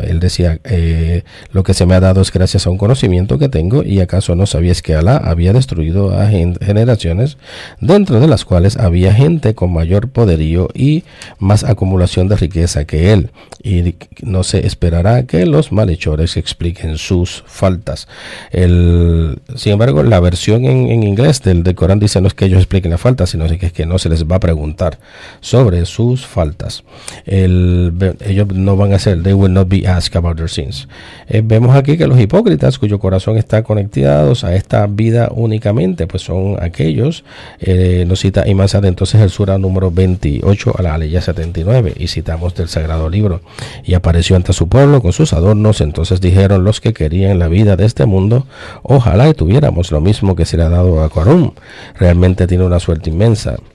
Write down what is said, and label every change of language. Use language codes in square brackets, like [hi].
[es] Él decía, lo que se me ha dado es gracias a un conocimiento que tengo, y acaso no sabías que Alá había destruido a generaciones dentro de las cuales había gente con mayor poderío y más acumulación de riqueza que él, y no se esperará que los malhechores expliquen sus faltas. Sin embargo, la versión en inglés del Corán dice, no es que ellos expliquen la falta, sino que es que no se les va a preguntar sobre sus faltas. Ellos no van a ser, [en] they will not be asked about their sins. [es] Vemos aquí que los hipócritas, cuyo corazón está conectado a esta vida únicamente, pues son aquellos, nos cita Imam Sad entonces el Sura número 28 a la Aleya 79, y citamos del Sagrado Libro, y apareció ante su pueblo con sus adornos, entonces dijeron los que querían la vida de este mundo, ojalá que tuviéramos lo mismo que se le dado a Qarun, realmente tiene una suerte inmensa.